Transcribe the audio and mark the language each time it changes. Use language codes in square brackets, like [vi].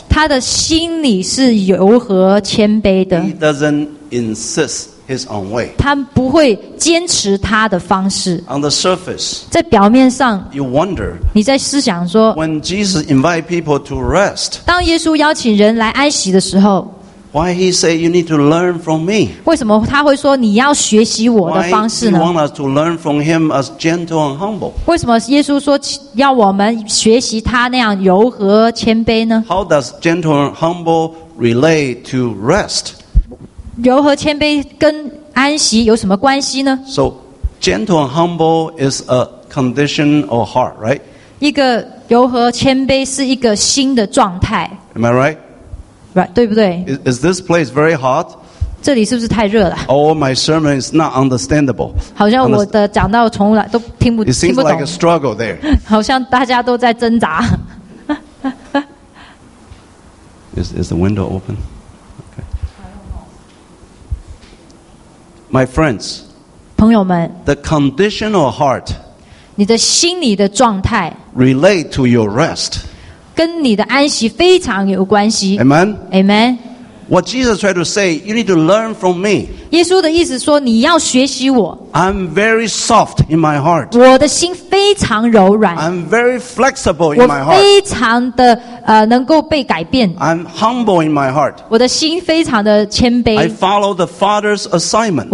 [zh] 他的心里是柔和谦卑的 [en] He doesn't insist his own way. [zh] 他不会坚持他的方式 [en] On the surface, [zh] 在表面上 [en] you wonder, [zh] 你在思想说 [en] when Jesus invites people to rest, [zh] 当耶稣邀请人来安息的时候 [en] Why he say you need to learn from me? [zh] 为什么他会说你要学习我的方式呢？ [en] Why you want us to learn from him as gentle and humble? [zh] 为什么耶稣说要我们学习他那样柔和谦卑呢？ [en] How does gentle and humble relate to rest? [zh] 柔和谦卑跟安息有什么关系呢？ [en] So gentle and humble is a condition of heart, right? [zh] 一个柔和谦卑是一个心的状态。 [en] Am I right? [zh] Right, 对不对？ [en] Is this place very hot? [zh] 这里是不是太热了？ [en] Oh, my sermon is not understandable. [zh] 好像我的讲道从来都听不懂。 [en] It seems like a struggle there. [zh] 好像大家都在挣扎。 [en] Is the window open? Okay. My friends, [zh] 朋友们 [en] the condition of heart, [zh] 你的心里的状态 [en] relate to your rest. [zh] 跟你的安息非常有关系。 [en] Amen. Amen. What Jesus tried to say, you need to learn from me. [zh] 耶稣的意思说，你要学习我。 [en] I'm very soft in my heart. [zh] 我的心非常柔软。 [en] I'm very flexible in my heart. [zh] 我非常的能够被改变。 [en] I'm humble in my heart. [zh] 我的心非常的谦卑。 [en] I follow the Father's assignment.